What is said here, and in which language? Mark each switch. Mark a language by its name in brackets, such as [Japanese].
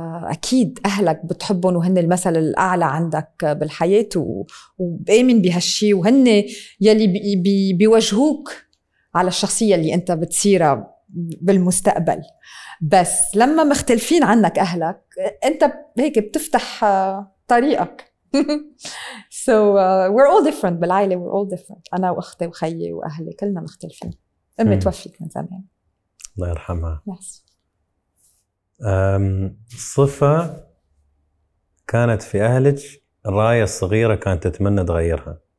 [Arabic] أكيد أهلك بتحبهم وهن المثل الأعلى عندك بالحياة وبأمن بهالشي وهن يلي بيوجهوك على الشخصية اللي أنت بتصيرها بالمستقبل. بس لما مختلفين عنك أهلك أنت هيك بتفتح طريقك. [English] So we're all different بالعائلة we're all different. [Arabic] أنا وأختي وخيي وأهلي كلنا مختلفين. أمي توفيت من زمان الله يرحمها. [English] Yes. [Arabic] صفة كانت في أهلك الراية الصغيرة كانت تتمنى تغيرها؟